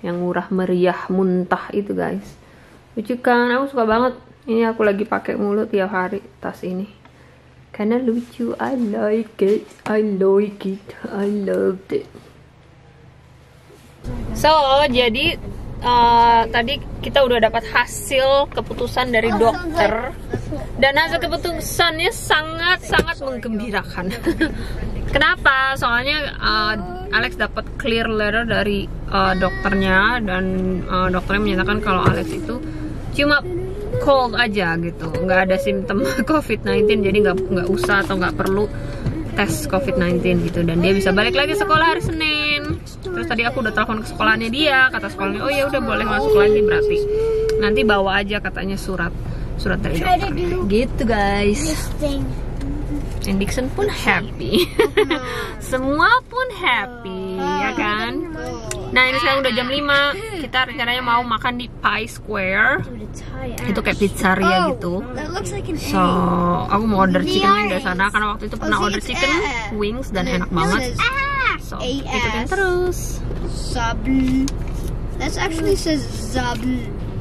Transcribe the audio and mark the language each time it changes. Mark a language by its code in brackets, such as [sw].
[id] yang murah meriah muntah itu guys. Lucu kan, aku suka banget. Ini aku lagi pakai mulu tiap hari tas ini. Karena lucu, [en] I like it, I like it, I loved it. [id] So, jadi tadi kita udah dapat hasil keputusan dari dokter. Dan hasil keputusannya sangat-sangat menggembirakan. Kenapa? Soalnya Alex dapat clear letter dari dokternya. Dan dokternya menyatakan kalau Alex itu cuma cold aja gitu, nggak ada simptom COVID-19, jadi nggak usah atau nggak perlu tes COVID-19 gitu, dan dia bisa balik lagi sekolah hari Senin. Terus tadi aku udah telepon ke sekolahnya dia, kata sekolahnya, oh ya udah boleh masuk lagi, berarti nanti bawa aja katanya surat dari dokter. Gitu guys. And Dixon pun happy. Semua pun happy, ya kan? Nah, ini sekarang udah jam 5. Kita rencananya mau makan di Pie Square. Itu kayak pizzeria gitu. So, aku mau order chicken dari sana. Karena waktu itu pernah order chicken wings dan enak banget. So, ikutin terus. Zabl. [en] That actually says Zabl.